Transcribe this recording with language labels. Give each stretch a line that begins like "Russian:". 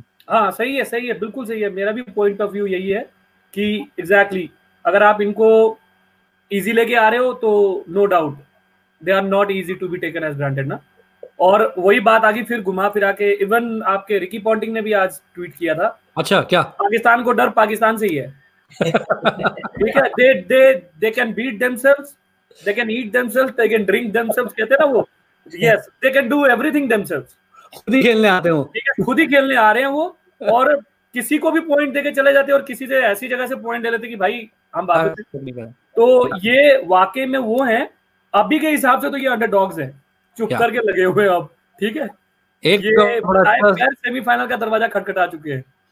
Hindi: हाँ सही है, सही है, बिल्कुल सही है, मेरा भी पॉइंट ऑफ व्यू यही है कि एग्जैक्टली अगर आप इनको इजी लेके आ रहे हो तो no doubt
English: they are not easy to be taken as granted,
Hindi: na? और वही बात आगे फिर घुमा फिरा के, इवन आपके रिकी पॉन्टिंग ने भी आज ट्वीट किया था। अच्छा क्या? पाकिस्तान को डर पाकिस्तान से ही है, ठीक है?
English: they can beat themselves, they can eat themselves, they can drink themselves,
Hindi: कहते ना वो,
English: yes, they can do everything themselves,
Hindi: खुद ही खेलने आते हो, ठीक है, खुद ही खेलने आ रहे हैं वो, और किसी को भी पॉइंट देके चले जाते और किसी से ऐसी जगह से पॉइंट ले लेते कि भाई हम बात करते, तो ये वाकई में वो है अभी के हिसाब से, तो ये अंडरडॉग्स हैं, चुप करके लगे हुए अब, ठीक है? एक ये बड़ा सेमीफाइनल का दरवाजा खटखटा चुके हैं।